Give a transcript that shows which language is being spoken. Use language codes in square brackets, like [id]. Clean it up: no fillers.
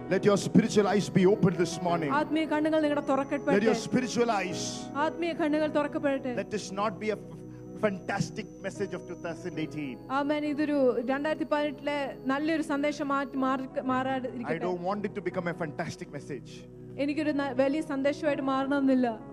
[en] Let your spiritual eyes be opened this morning. [ml] ആത്മീയ കണ്ണുകൾ നിങ്ങളുടെ തുറക്കപ്പെടട്ടെ. [en] Let your spiritual eyes. [ml] ആത്മീയ കണ്ണുകൾ തുറക്കപ്പെടട്ടെ. [en] Let this not be a fantastic message of 2018. [ml] ആമേൻ ഇതൊരു 2018 ലെ നല്ലൊരു സന്ദേശം മാറാതിരിക്കട്ടെ. [en] I don't want it to become a fantastic message. [ml] എനിക്കൊരു വലിയ സന്ദേശമായിട്ട് മാറണമെന്നില്ല.